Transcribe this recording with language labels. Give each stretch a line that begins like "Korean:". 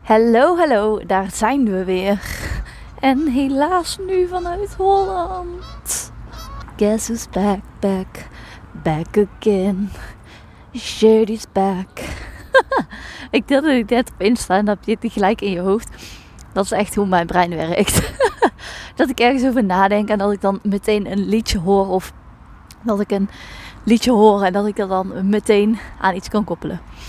Dutch: Hallo, hallo, daar zijn we weer. En helaas nu vanuit Holland.
English: Guess who's back, back, back again. Shirley's back.
Dutch: Ik deelde het net op Insta en dat heb je gelijk in je hoofd. Dat is echt hoe mijn brein werkt. Dat ik ergens over nadenk en dat ik dan meteen een liedje hoor. Of dat ik een liedje hoor en dat ik dat dan meteen aan iets kan koppelen.